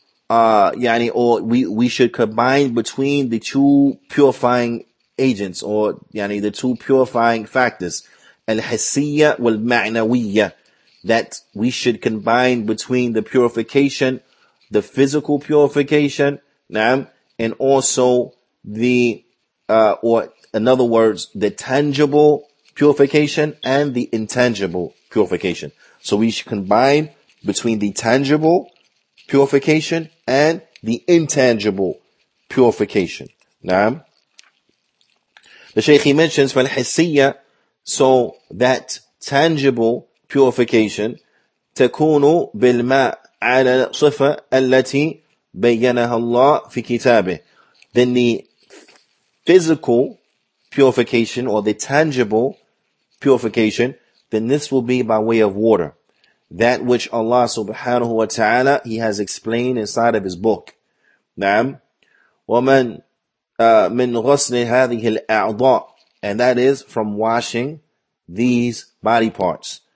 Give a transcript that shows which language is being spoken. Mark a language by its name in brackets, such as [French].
[English] we should combine between the two purifying agents, or يعني the two purifying factors, [Arabic] الحسية والمعنوية, [English] that we should combine between the purification, the physical purification, نعم, and also the in other words, the tangible purification and the intangible purification. So we should combine between the tangible purification and the intangible purification. [Arabic] نعم. [English] The Shaykh, he mentions, [Arabic] فالحسية, [English] so that tangible purification, [Arabic] تكون بالماء على الصفة التي بيّنها الله في كتابه. [English] Then the physical purification, or the tangible purification, then this will be by way of water. That which Allah subhanahu wa ta'ala, he has explained inside of his book. نعم. [Arabic] ومن من غسل هذه الأعضاء, [English] and that is from washing these body parts.